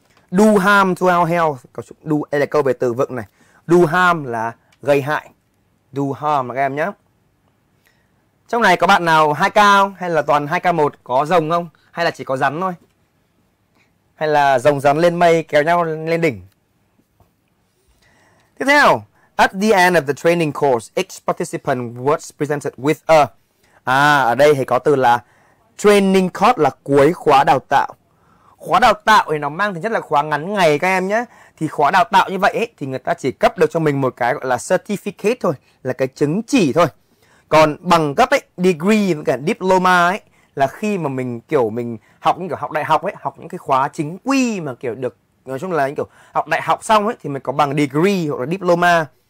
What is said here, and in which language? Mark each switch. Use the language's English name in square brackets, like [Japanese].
[English] Do harm to our health. [Vietnamese] Đây là câu về từ vựng này. Do harm là gây hại. Do harm các em nhé. Trong này có bạn nào 2K không? Hay là toàn 2K1 có rồng không? Hay là chỉ có rắn thôi? Hay là rồng rắn lên mây kéo nhau lên đỉnh? Tiếp theo. [English] At the end of the training course, each participant was presented with a... [Vietnamese] À, ở đây thì có từ là training course là cuối khóa đào tạo. Khóa đào tạo thì nó mang tính chất là khóa ngắn ngày các em nhé. Thì khóa đào tạo như vậy ấy, thì người ta chỉ cấp được cho mình một cái gọi là certificate thôi, là cái chứng chỉ thôi. Còn bằng cấp ấy, degree với cả diploma ấy, là khi mà mình kiểu mình học những kiểu học đại học ấy, học những cái khóa chính quy mà kiểu được, nói chung là những kiểu học đại học xong ấy, thì mình có bằng degree hoặc là diploma.